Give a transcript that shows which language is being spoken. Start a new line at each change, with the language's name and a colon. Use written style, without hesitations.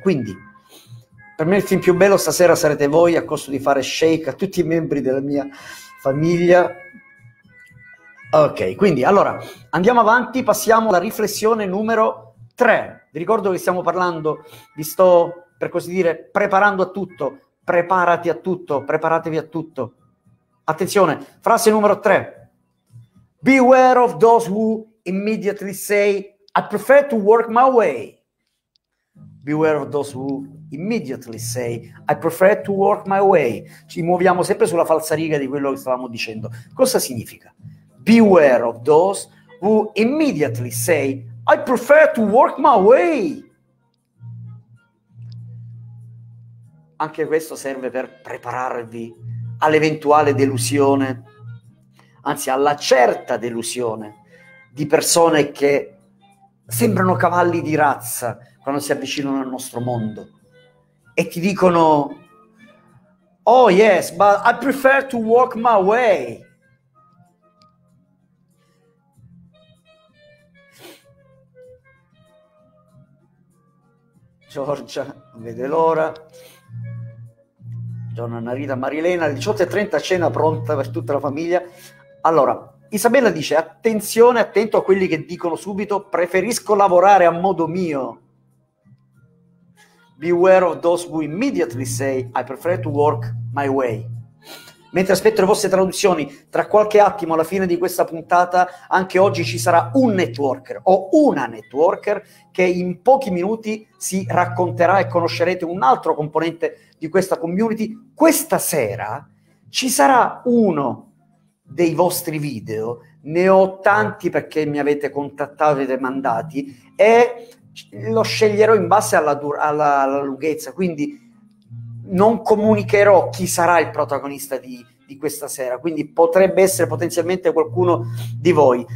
Italian: Quindi, per me il film più bello stasera sarete voi, a costo di fare shake a tutti i membri della mia famiglia. Ok, quindi allora andiamo avanti, passiamo alla riflessione numero 3. Vi ricordo che stiamo parlando, vi sto per così dire preparando a tutto, preparati a tutto, preparatevi a tutto. Attenzione, frase numero 3.
English: Beware of those who immediately say, I prefer to work my way. Beware of those who immediately say, I prefer to work my way.
Italian: Ci muoviamo sempre sulla falsariga di quello che stavamo dicendo. Cosa significa?
English: Beware of those who immediately say, I prefer to work my way.
Italian: Anche questo serve per prepararvi all'eventuale delusione, anzi alla certa delusione di persone che sembrano cavalli di razza quando si avvicinano al nostro mondo e ti dicono, oh yes, but I prefer to work my way. Giorgia, vede l'ora. Donna Narita, Marilena, 18:30, cena pronta per tutta la famiglia. Allora, Isabella dice, attenzione, attento a quelli che dicono subito, preferisco lavorare a modo mio.
English: Beware of those who immediately say, I prefer to work my way.
Italian: Mentre aspetto le vostre traduzioni, tra qualche attimo, alla fine di questa puntata, anche oggi ci sarà un networker o una networker che in pochi minuti si racconterà e conoscerete un altro componente di questa community. Questa sera ci sarà uno dei vostri video, ne ho tanti perché mi avete contattato e mandati, e lo sceglierò in base alla lunghezza, quindi non comunicherò chi sarà il protagonista di questa sera, quindi potrebbe essere potenzialmente qualcuno di voi.